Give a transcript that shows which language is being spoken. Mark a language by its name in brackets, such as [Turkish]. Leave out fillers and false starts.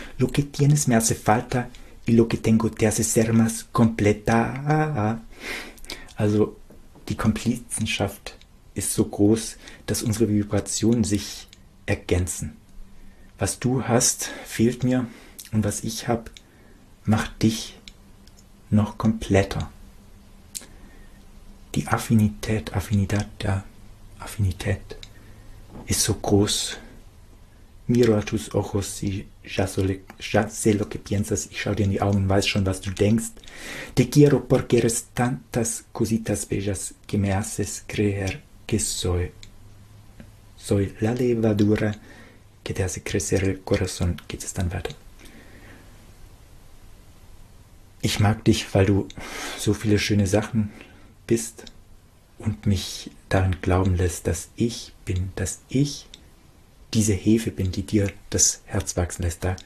[Spanish] Lo que tienes me hace falta y lo que tengo te hace ser más completa. [German] Also die Komplizenschaft ist so groß, dass unsere Vibrationen sich ergänzen. Was du hast, fehlt mir und was ich habe, macht dich noch kompletter. Die Affinität ist so groß. [Spanish] Miro a tus ojos y ya sé lo que piensas. [German] Ich schau dir in die Augen und weiß schon, was du denkst. [Spanish] Te quiero porque eres tantas cositas bellas que me haces creer que soy la levadura. [German] Geht der Sekretär Corazon, geht es dann weiter. Ich mag dich, weil du so viele schöne Sachen bist und mich daran glauben lässt, dass ich bin, dass ich diese Hefe bin, die dir das Herz wachsen lässt.